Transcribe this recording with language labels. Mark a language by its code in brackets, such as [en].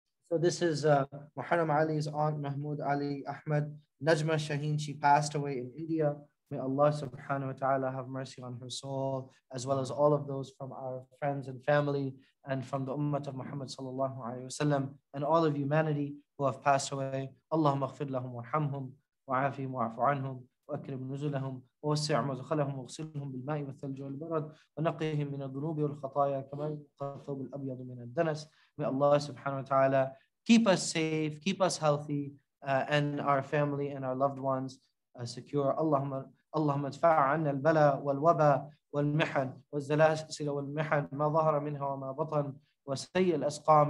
[en] So this is Muharram Ali's aunt, Mahmood Ali Ahmed Najma Shaheen. She passed away in India. May Allah [ar] subhanahu wa ta'ala [en] have mercy on her soul, as well as all of those from our friends and family and from the ummah of Muhammad [ar] sallallahu alayhi wa sallam [en] and all of humanity who have passed away. [ar] Allahumma aghfir lahum warhamhum. وعافهم وعف عنهم وأكرم نزلهم ووسع مدخلهم واغسلهم بالماء والثلج والبرد ونقيهم من الذنوب والخطايا كما ينقى الثوب الأبيض من الدنس. [en] May Allah [ar] subhanahu wa ta'ala [en] keep us safe, keep us healthy, and our family and our loved ones secure. [ar] اللهم ادفع عنا البلاء والوباء والمحن والزلازل والمحن ما ظهر منها وما بطن وسيء الأسقام.